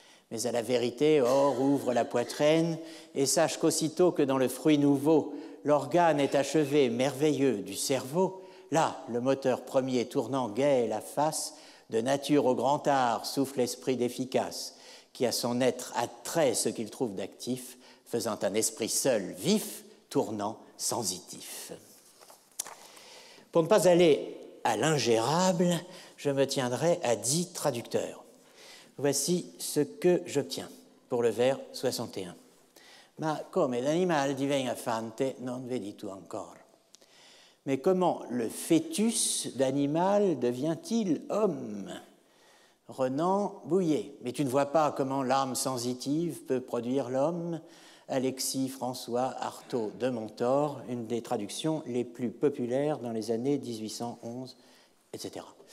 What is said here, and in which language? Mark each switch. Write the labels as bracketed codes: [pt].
[fr] Mais à la vérité, or ouvre la poitrine, et sache qu'aussitôt que dans le fruit nouveau, l'organe est achevé merveilleux du cerveau, là le moteur premier tournant gai la face, de nature au grand art souffle l'esprit d'efficace, qui à son être attrait ce qu'il trouve d'actif, faisant un esprit seul vif, tournant, sensitif. Pour ne pas aller à l'ingérable, je me tiendrai à 10 traducteurs. Voici ce que j'obtiens pour le vers 61. [it] Ma come d'animal divenga fante non vedito ancora. [fr] Mais comment le fœtus d'animal devient-il homme ? Renan Bouillet, mais tu ne vois pas comment l'âme sensitive peut produire l'homme ? Alexis François Artaud de Montor, une des traductions les plus populaires dans les années 1811, etc.